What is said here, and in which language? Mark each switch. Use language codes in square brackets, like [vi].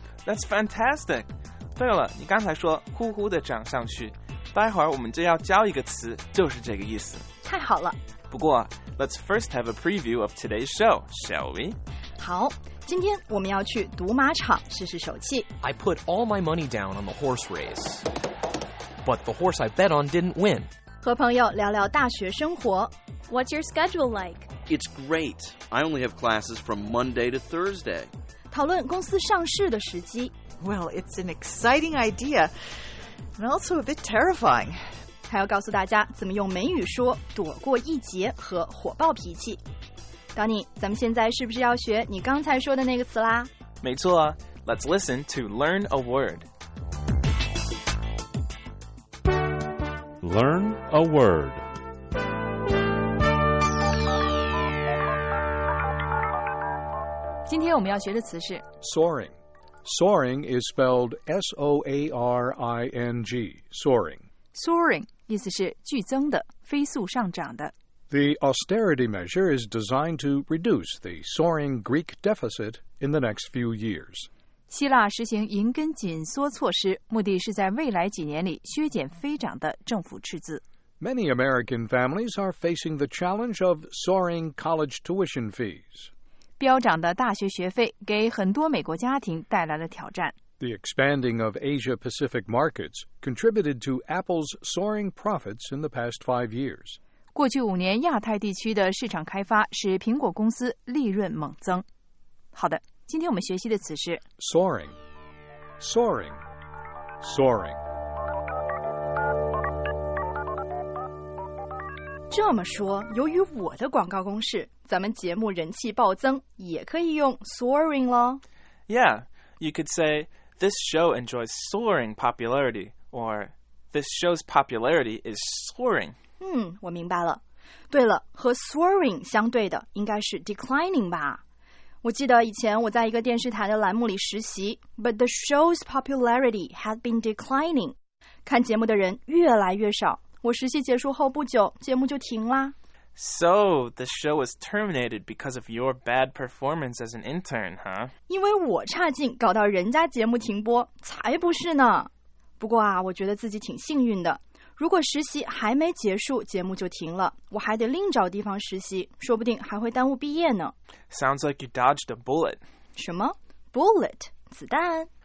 [en] That's fantastic。 [zh] 对了，你刚才说呼呼的涨上去，待会儿我们就要教一个词，就是这个意思。太好了。不过 [en] Let's first have a preview of today's show, shall we? [zh] 好，今天我们要去赌马场试试手气。 [en] I put all my money down on the horse race, but the horse I bet on didn't win. [zh] 和朋友聊聊大学生活。 [en] What's your schedule like? It's great. I only have classes from Monday to Thursday. [zh] 讨论公司上市的时机。 [en] Well, it's an exciting idea, and also a bit terrifying. [zh] 还要告诉大家怎么用美语说躲过一劫和火爆脾气。 Donny， 咱们现在是不是要学你刚才说的那个词啦？没错， [en] Let's listen to learn a word. Learn a word. Today we're going to learn the word soaring. Soaring is spelled S-O-A-R-I-N-G, soaring. Soaring. [zh] 意思是剧增的，飞速上涨的。 [en] The austerity measure is designed to reduce the soaring Greek deficit in the next few years. [zh] 希腊实行银根紧缩措施，目的是在未来几年里削减飞涨的政府赤字。 [en] Many American families are facing the challenge of soaring college tuition fees. [zh] 飙涨的大学学费给很多美国家庭带来了挑战。 [en] The expanding of Asia-Pacific markets contributed to Apple's soaring profits in the past 5 years. [zh] 过去五年亚太地区的市场开发使苹果公司利润猛增。好的，今天我们学习的词是 [en] soaring, soaring, soaring. [zh] 这么说，由于我的广告公式，咱们节目人气暴增，也可以用 soaring 咯。 [en] Yeah, you could say,This show enjoys soaring popularity, or this show's popularity is soaring. [zh] 嗯，我明白了。对了，和 soaring 相对的应该是 declining 吧。我记得以前我在一个电视台的栏目里实习， [en] but the show's popularity had been declining. [zh] 看节目的人越来越少，我实习结束后不久，节目就停啦。 [en] So, the show was terminated because of your bad performance as an intern, huh? [zh] 因为我差劲搞到人家节目停播，才不是呢。不过啊，我觉得自己挺幸运的。如果实习还没结束，节目就停了，我还得另找地方实习，说不定还会耽误毕业呢。 [en] Sounds like you dodged a bullet. [zh] 什么？Bullet? 子弹？